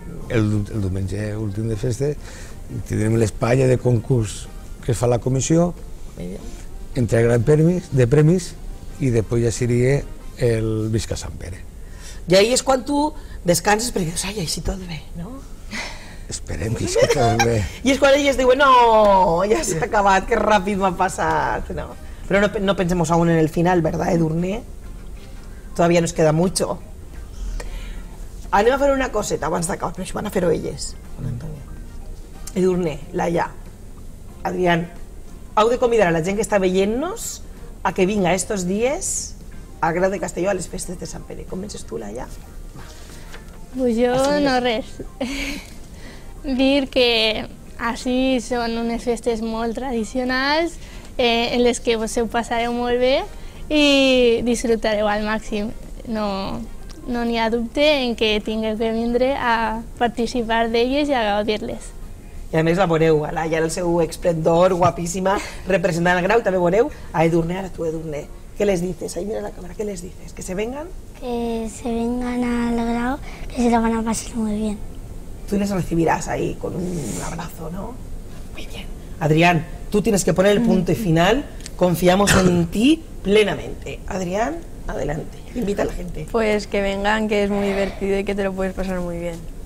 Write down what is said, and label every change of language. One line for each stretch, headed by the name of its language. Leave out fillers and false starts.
Catalan: El diumenge últim de festa tindrem l'espai de concurs que fa la comissió, entregarem premis, de premis, i després ja seria el Visca Sant Pere. I ahir és quan tu descanses perquè dius, ai, així tot bé, no? Esperem que així tot bé. I és quan ells diuen, no, ja s'ha acabat, que ràpid m'ha passat, no? Però no pensem
Spanish: aún en el final, ¿verdad, Edurne? Todavía nos queda mucho.
Catalan: Anem a fer una coseta abans d'acabar, però això van a fer-ho elles. Edurne, Laia, Adrián, heu de convidar a la gent que està veient-nos a que vinga estos dies al Grau de Castelló a les festes de Sant Pere. Com penses tu, Laia? Pues jo no res. Dir que així són unes festes molt tradicionals, en les que us ho passareu molt bé i disfrutareu al màxim. No n'hi ha dubte en que tingueu que vindre a participar d'elles i a gaudir-les. I a més la veureu, a Laia, el seu esplendor, guapíssima, representant el grau, també veureu a Edurne, ara tu, Edurne. Què les dices? Ahí mira la càmera, què les dices?
Spanish: Que se vengan? Que se vengan al grau, que se lo van a
Catalan: passar molt bé.
Spanish: Tu les recibiràs ahí, con un abrazo, no? Muy bien. Adrián, tú tienes que poner el punto final, confiamos en ti plenamente. Adrián, adelante, invita a la gente. Pues que vengan, que es muy divertido y que te lo puedes pasar muy bien.